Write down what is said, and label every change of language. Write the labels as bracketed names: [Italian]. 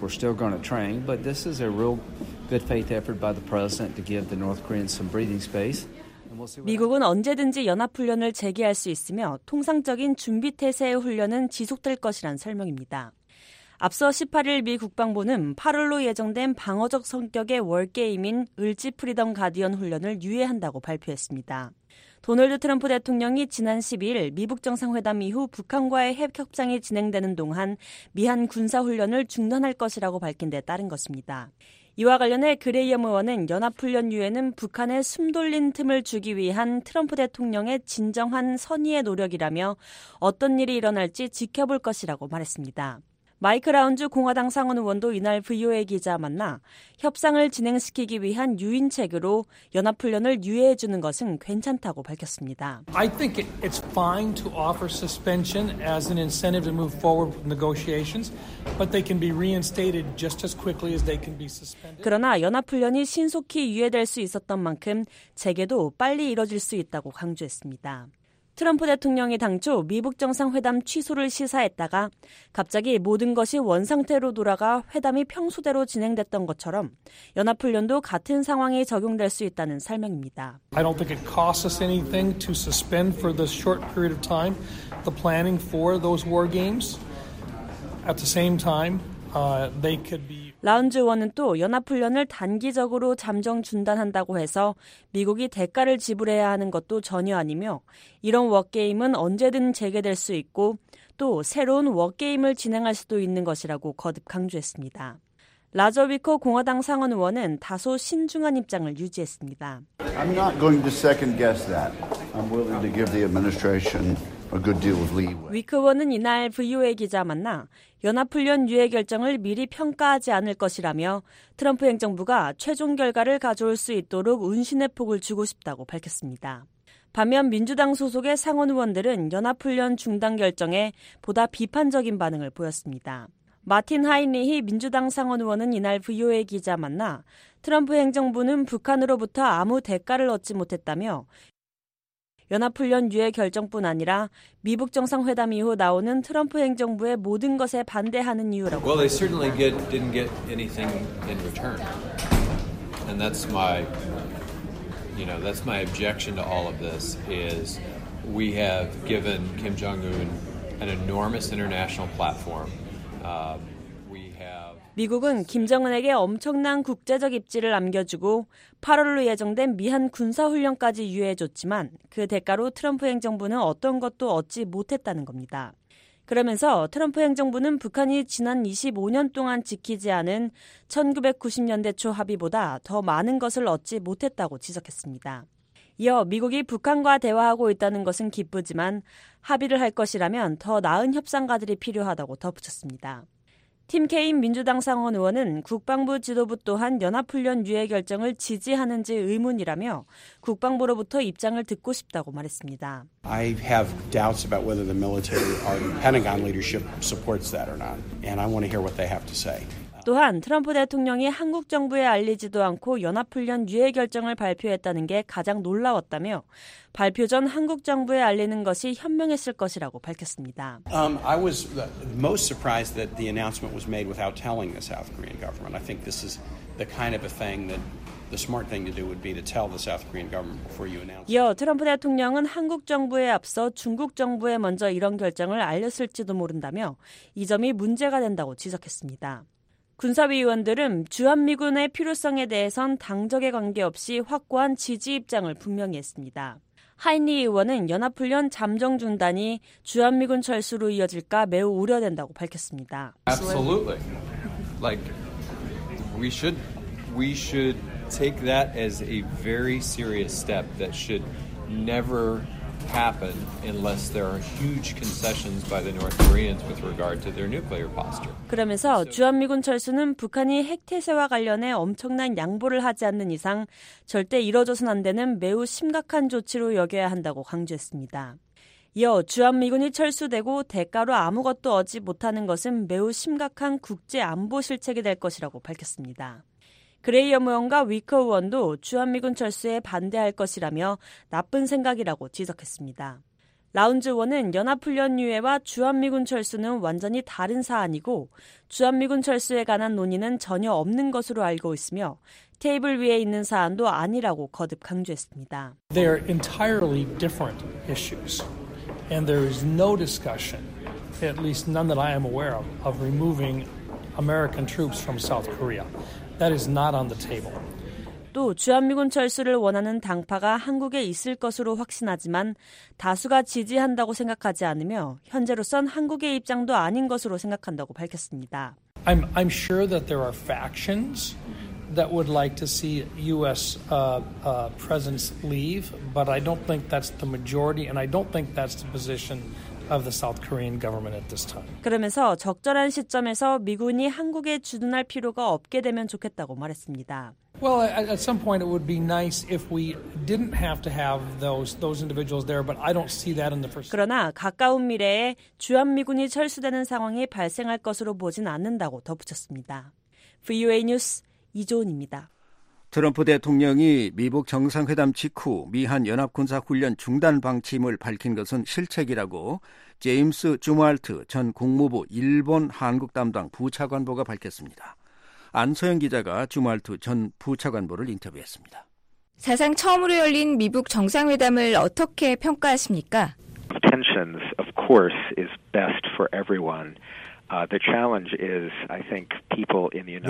[English] We're still going to train, but this is a real good faith effort by the president to give the North Koreans some breathing space. [Korean] 미국은 언제든지 연합훈련을 재개할 수 있으며 통상적인 준비태세의 훈련은 지속될 것이란 설명입니다. 앞서 18일 미 국방부는 8월로 예정된 방어적 성격의 월게임인 을지 프리덤 가디언 훈련을 유예한다고 발표했습니다. 도널드 트럼프 대통령이 지난 12일 미북 정상회담 이후 북한과의 핵협상이 진행되는 동안 미한 군사훈련을 중단할 것이라고 밝힌 데 따른 것입니다. 이와 관련해 그레이엄 의원은 연합훈련 유예는 북한에 숨 돌린 틈을 주기 위한 트럼프 대통령의 진정한 선의의 노력이라며 어떤 일이 일어날지 지켜볼 것이라고 말했습니다. 마이크 라운즈 공화당 상원 의원도 이날 VOA 기자와 만나 협상을 진행시키기 위한 유인책으로 연합훈련을 유예해 주는 것은 괜찮다고 밝혔습니다. [English] I think it's fine to offer suspension as an incentive to move forward with negotiations, but they can be reinstated just as quickly as they can be suspended. [Korean] 그러나 연합훈련이 신속히 유예될 수 있었던 만큼 재개도 빨리 이뤄질 수 있다고 강조했습니다. 트럼프 대통령이 당초 미북 정상회담 취소를 시사했다가 갑자기 모든 것이 원상태로 돌아가 회담이 평소대로 진행됐던 것처럼 연합훈련도 같은 상황이 적용될 수 있다는 설명입니다. [English] I don't think it costs us anything to suspend for this short period of time the planning for those war games. At the same time, they could be [Korean] 라운즈 의원은 또 연합훈련을 단기적으로 잠정 중단한다고 해서 미국이 대가를 지불해야 하는 것도 전혀 아니며 이런 워게임은 언제든 재개될 수 있고 또 새로운 워게임을 진행할 수도 있는 것이라고 거듭 강조했습니다. 라저 위커 공화당 상원 의원은 다소 신중한 입장을 유지했습니다. [English] I'm not going to second guess that. I'm willing to give the administration a good deal of leeway. [Korean] 위크 의원은 이날 VOA 기자 만나 연합훈련 유예 결정을 미리 평가하지 않을 것이라며 트럼프 행정부가 최종 결과를 가져올 수 있도록 운신의 폭을 주고 싶다고 밝혔습니다. 반면 민주당 소속의 상원 의원들은 연합훈련 중단 결정에 보다 비판적인 반응을 보였습니다. 마틴 하인리히 민주당 상원 의원은 이날 VOA 기자 만나 트럼프 행정부는 북한으로부터 아무 대가를 얻지 못했다며 연합훈련 유예 결정뿐 아니라 미북 정상회담 이후 나오는 트럼프 행정부의 모든 것에 반대하는 이유라고. [English] Well, they certainly didn't get anything in return. And that's my, you know, that's my objection to all of this is we have given Kim Jong-un an enormous international platform. [Korean] 미국은 김정은에게 엄청난 국제적 입지를 남겨주고 8월로 예정된 미한 군사훈련까지 유예해줬지만 그 대가로 트럼프 행정부는 어떤 것도 얻지 못했다는 겁니다. 그러면서 트럼프 행정부는 북한이 지난 25년 동안 지키지 않은 1990년대 초 합의보다 더 많은 것을 얻지 못했다고 지적했습니다. 이어 미국이 북한과 대화하고 있다는 것은 기쁘지만 합의를 할 것이라면 더 나은 협상가들이 필요하다고 덧붙였습니다. 팀 케인 민주당 상원 의원은 국방부 지도부 또한 연합훈련 유예 결정을 지지하는지 의문이라며 국방부로부터 입장을 듣고 싶다고 말했습니다. [English] I have doubts about whether the military or the Pentagon leadership supports that or not, and I want to hear what they have to say. [Korean] 또한 트럼프 대통령이 한국 정부에 알리지도 않고 연합훈련 유예 결정을 발표했다는 게 가장 놀라웠다며 발표 전 한국 정부에 알리는 것이 현명했을 것이라고 밝혔습니다. [English] I was most surprised that the announcement was made without telling the South Korean government. I think this is the kind of a thing that the smart thing to do would be to tell the South Korean government before you announce. [Korean] 이어 트럼프 대통령은 한국 정부에 앞서 중국 정부에 먼저 이런 결정을 알렸을지도 모른다며 이 점이 문제가 된다고 지적했습니다. 군사위 의원들은 주한미군의 필요성에 대해선 당적의 관계없이 확고한 지지 입장을 분명히 했습니다. 하인리 의원은 연합훈련 잠정 중단이 주한미군 철수로 이어질까 매우 우려된다고 밝혔습니다. [English] Absolutely. Like, We should take that as a very serious step that should never happen unless there are huge concessions by the North Koreans with regard to their nuclear posture. [Korean] 그러면서 주한미군 철수는 북한이 핵 태세와 관련해 엄청난 양보를 하지 않는 이상 절대 이뤄져선 안 되는 매우 심각한 조치로 여겨야 한다고 강조했습니다. 이어 주한미군이 철수되고 대가로 아무것도 얻지 못하는 것은 매우 심각한 국제 안보 실책이 될 것이라고 밝혔습니다. 그레이엄 의원과 위커 의원도 주한미군 철수에 반대할 것이라며 나쁜 생각이라고 지적했습니다. 라운즈 의원은 연합훈련 유예와 주한미군 철수는 완전히 다른 사안이고 주한미군 철수에 관한 논의는 전혀 없는 것으로 알고 있으며 테이블 위에 있는 사안도 아니라고 거듭 강조했습니다. [English] They are entirely different issues. And there is no discussion, at least none that I am aware of removing American troops from South Korea. That is not on the table. [Korean] 또 주한미군 철수를 원하는 당파가 한국에 있을 것으로 확신하지만 다수가 지지한다고 생각하지 않으며 현재로선 한국의 입장도 아닌 것으로 생각한다고 밝혔습니다. [English] I'm sure that there are factions that would like to see U.S. Presence leave, but I don't think that's the majority, and I don't think that's the position of the South Korean government at this time. [Korean] 그러면서 적절한 시점에서 미군이 한국에 주둔할 필요가 없게 되면 좋겠다고 말했습니다. [English] Well, at some point it would be nice if we didn't have to have those individuals there, but I don't see that in the first. [Korean] 그러나 가까운 미래에 주한미군이 철수되는 상황이 발생할 것으로 보진 않는다고 덧붙였습니다. VOA 뉴스 이조은입니다. 트럼프 대통령이 미북 정상회담 직후 미한 연합군사 훈련 중단 방침을 밝힌 것은 실책이라고 제임스 주말트 전 국무부 일본 한국 담당 부차관보가 밝혔습니다. 안소영 기자가 주말트 전 부차관보를 인터뷰했습니다. 사상 처음으로 열린 미북 정상회담을 어떻게 평가하십니까? [English] Tensions, of course, is best for everyone. The challenge is, I think, people in the United.